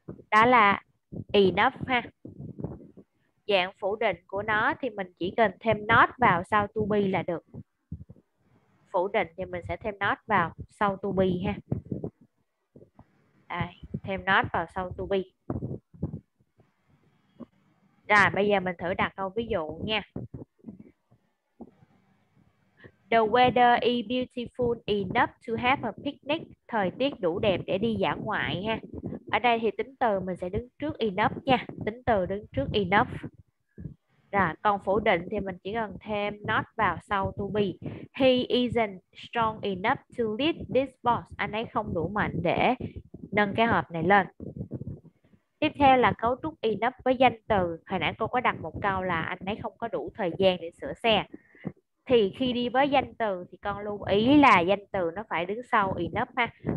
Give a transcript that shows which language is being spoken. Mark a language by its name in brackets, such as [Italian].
[Vietnamese] Đó là enough ha. Dạng phủ định của nó thì mình chỉ cần thêm not vào sau to be là được. Phủ định thì mình sẽ thêm not vào sau to be ha. Đây, thêm not vào sau to be. Rồi, bây giờ mình thử đặt câu ví dụ nha. [English] The weather is beautiful enough to have a picnic. [Vietnamese] Thời tiết đủ đẹp để đi dã ngoại ha. Ở đây thì tính từ mình sẽ đứng trước enough nha. Tính từ đứng trước enough. Rồi, còn phủ định thì mình chỉ cần thêm not vào sau to be. [English] He isn't strong enough to lead this boss. [Vietnamese] Anh ấy không đủ mạnh để nâng cái hộp này lên. Tiếp theo là cấu trúc enough với danh từ. Hồi nãy cô có đặt một câu là anh ấy không có đủ thời gian để sửa xe. Thì khi đi với danh từ thì con lưu ý là danh từ nó phải đứng sau enough ha.